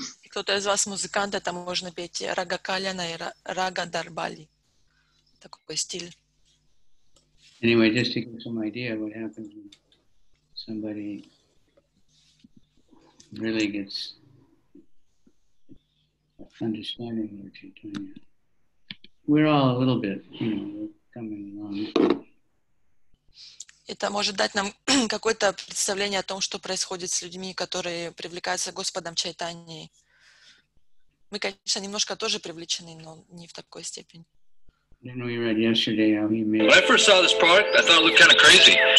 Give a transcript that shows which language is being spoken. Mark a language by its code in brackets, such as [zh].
[ru] Кто-то из вас музыкант, это можно петь рага кальяна и рага дарбали. Такой стиль. [en] Anyway, just to give some idea what happens when somebody really gets understanding Lord Chaitanya. We're all a little bit, you know, coming along. [ru] Это может дать нам какое-то представление о том, что происходит с людьми, которые привлекаются Господом Чайтаньей. Мы, конечно, немножко тоже привлечены, но не в такой степени. [en] Then we read yesterday how he made... When I first saw this product, I thought it looked kind of crazy.